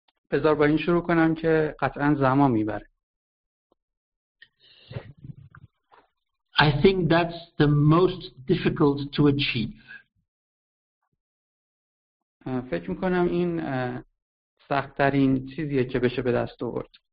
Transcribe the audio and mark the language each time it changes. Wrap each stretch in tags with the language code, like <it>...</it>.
<fa>بذار با این شروع کنم که قطعا زمان میبره.</fa> <en>I think that's the most difficult to achieve.</en> <fa>فکر میکنم این سخت‌ترین چیزیه که بشه به دست آورد.</fa>